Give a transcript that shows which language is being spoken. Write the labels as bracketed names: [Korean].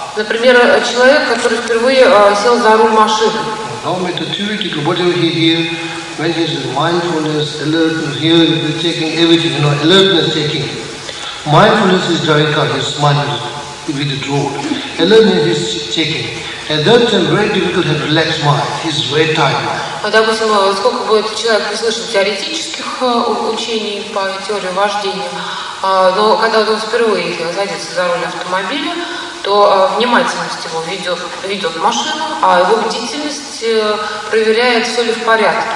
[Russian] Например, человек, который впервые сел за руль машины. [English] No matter theoretical, whatever he hears, when he says mindfulness, alertness, hearing, taking everything, you know, alertness taking. Mindfulness is driving car, his mind is with the road. Alertness is checking. At that time, very difficult to have relaxed mind. He's very tired. [Russian] А допустим, сколько будет человек услышать теоретических учений по теории вождения, но когда он впервые садится за руль автомобиля, то внимательность его ведет машину, а его бдительность проверяет, все ли в порядке.